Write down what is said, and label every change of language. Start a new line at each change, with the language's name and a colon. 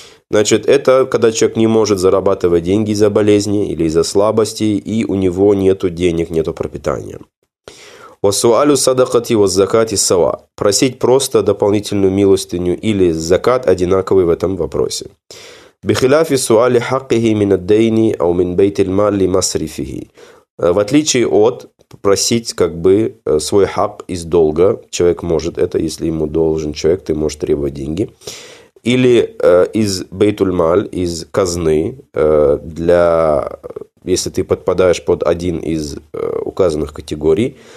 Russian: Значит, это когда человек не может зарабатывать деньги из-за болезни или из-за слабости, и у него нету денег, нету пропитания.
Arabic: وَسُؤَالُ صَدَقَةِ وَالزَّكَاةِ سَوَا.
Russian: Просить просто дополнительную милостыню или закат одинаковый в этом вопросе.
Arabic: بخلاف سؤال حقه من الدين أو من بيت المال لمصرفه.
Russian: В отличие от просить, как бы, свой хак из долга, человек может это, если ему должен человек, ты можешь требовать деньги, или из бейтульмаль, из казны, для, если ты подпадаешь под один из указанных категорий.